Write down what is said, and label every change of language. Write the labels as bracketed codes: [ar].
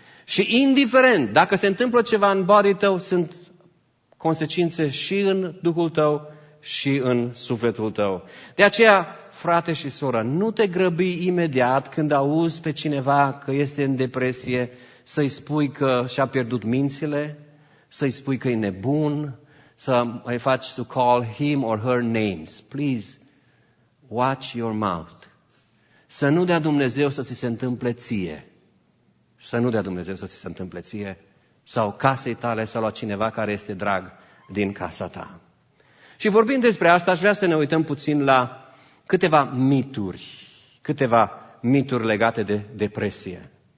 [ro] Și indiferent dacă se întâmplă ceva în body tău, sunt consecințe și în Duhul tău și în sufletul tău. De aceea, frate și soră, nu te grăbi imediat când auzi pe cineva că este în depresie să-i spui că și-a pierdut mințile, să-i spui că e nebun, să îi faci [en] to call him or her names. Please, watch your mouth. [ro] Să nu dea Dumnezeu să ți se întâmple ție. Să nu dea Dumnezeu să ți se întâmple ție sau casei tale sau la cineva care este drag din casa ta. Și vorbind despre asta, aș vrea să ne uităm puțin la câteva mituri, câteva mituri legate de depresie.